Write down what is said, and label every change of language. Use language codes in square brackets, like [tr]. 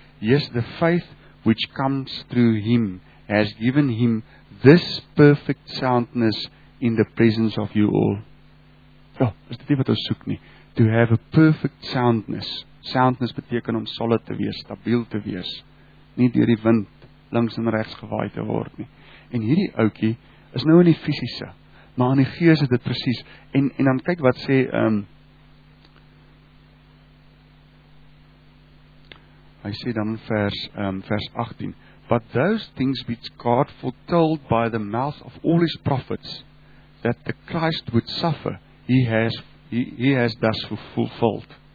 [en] Yes, the faith which comes through him has given him this perfect soundness in the presence of you all. [af] Ja, is dit nie wat ons soek nie. [en] To have a perfect soundness. [af] Soundness beteken om solid te wees, stabiel te wees. Nie deur die wind links en regs gewaai te word nie. En hierdie ouetjie is nou in die fisiese, maar in die gees is dit presies. En dan kyk wat sê hy sê dan vers 18, [en] but those things which God foretold by the mouth of all his prophets that the Christ would suffer, he has thus fulfilled.